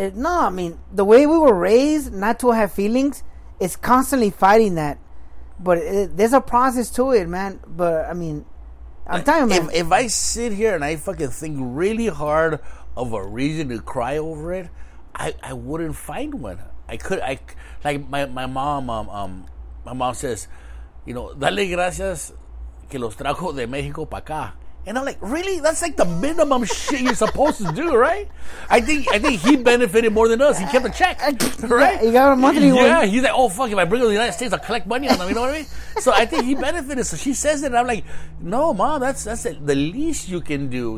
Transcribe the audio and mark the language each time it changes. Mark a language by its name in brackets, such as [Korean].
[English] No, I mean, the way we were raised not to have feelings is constantly fighting that. But there's a process to it, man. But I mean, I'm telling you, man. If I sit here and I fucking think really hard of a reason to cry over it, I wouldn't find one. My mom says, you know, [Spanish] dale gracias que los trajo de México para acá. [English] And I'm like, really? That's like the minimum shit you're supposed to do, right? I think he benefited more than us. He kept a check, right? He got a monthly one. Yeah, he's like, oh, fuck, if I bring it to the United States, I'll collect money on them, you know what I mean? So I think he benefited. So she says it, and I'm like, no, mom, that's the least you can do.